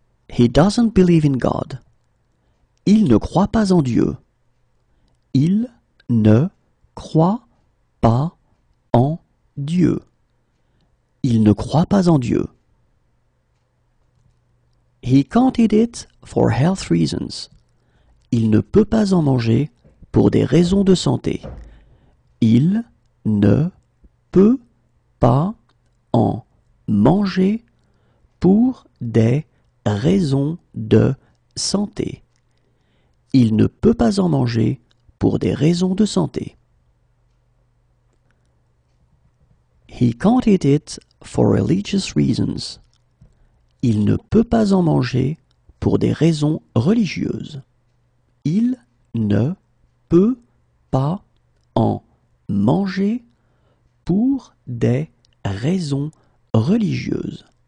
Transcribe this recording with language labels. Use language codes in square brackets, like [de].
[en] He doesn't believe in God. [fr] Il ne croit pas en Dieu. Il ne croit pas en Dieu. Il ne croit pas en Dieu. [en] He can't eat it for health reasons. [fr] Il ne peut pas en manger pour des raisons de santé. Il ne peut pas en manger pour des raisons de santé. Il ne peut pas en manger pour des raisons de santé. [en] He can't eat it for religious reasons. [fr] Il ne peut pas en manger pour des raisons religieuses. Il ne peut pas en manger pour des raisons religieuses.